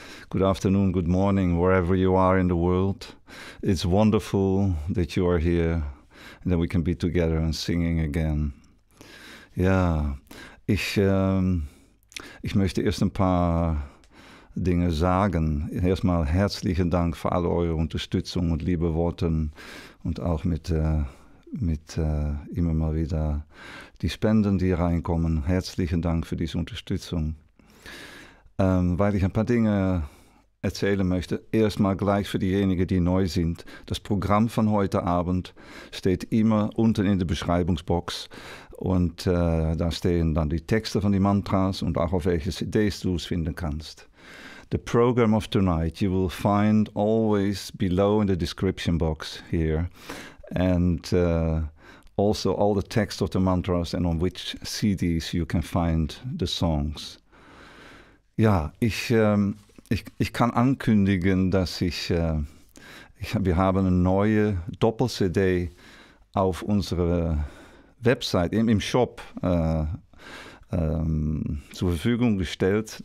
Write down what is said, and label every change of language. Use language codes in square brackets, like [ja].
[en] Good afternoon, good morning, wherever you are in the world. It's wonderful that you are here and that we can be together and singing again. [de] Ja, ich möchte erst ein paar Dinge sagen. Erstmal herzlichen Dank für alle eure Unterstützung und liebe Worte und auch mit immer mal wieder die Spenden, die reinkommen. Herzlichen Dank für diese Unterstützung. Weil ich ein paar Dinge erzählen möchte, erstmal gleich für diejenigen, die neu sind. Das Programm von heute Abend steht immer unten in der Beschreibungsbox. Und da stehen dann die Texte von den Mantras und auch auf welche CDs du es finden kannst. [en] The program of tonight you will find always below in the description box here. And also all the text of the mantras and on which CDs you can find the songs. [de] Ja, ich kann ankündigen, dass wir haben eine neue Doppel-CD auf unserer Website, eben im Shop, zur Verfügung gestellt.